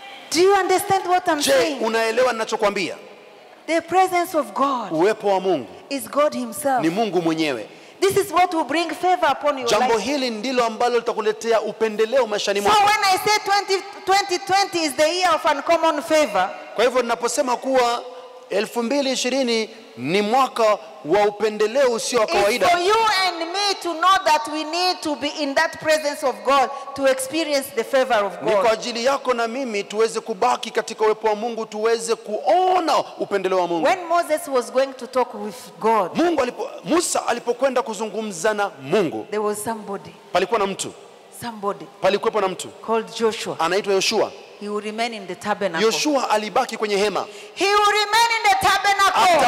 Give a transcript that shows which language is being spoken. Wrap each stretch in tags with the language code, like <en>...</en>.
<en>Do you understand what I'm saying?</en> <sw>Je, unaelewa ninachokwambia?</sw> <en>The presence of God.</en> <sw>Uwepo wa Mungu.</sw> <en>Is God himself.</en> <sw>Ni Mungu mwenyewe.</sw> <en>This is what will bring favor upon your life.</en> <sw>Jambo hili ndilo ambalo litakuletea upendeleo maishani mwako.</sw> <en>So when I say 2020 is the year of uncommon favor.</en> <sw>Kwa hivyo ninaposema kuwa 2020 ni mwaka wa upendeleo usio wa kawaida.</sw> <en>For you and me to know that we need to be in that presence of God to experience the favor of God.</en> <sw>Ni kwa ajili yako na mimi tuweze kubaki katika uwepo wa Mungu tuweze kuona upendeleo wa Mungu.</sw> <en>When Moses was going to talk with God.</en> <sw>Mungu alipo Musa alipokwenda kuzungumza na Mungu.</sw> <en>There was somebody.</en> <sw>Palikuwa na mtu.</sw> <en>Somebody.</en> <sw>Palikuwepo na mtu.</sw> <en>Called Joshua.</en> <sw>Anaitwa Yoshua.</sw> <en>He will remain in the tabernacle.</en> <sw>Yoshua alibaki kwenye hema.</sw> <en>He will remain in the tabernacle.</en>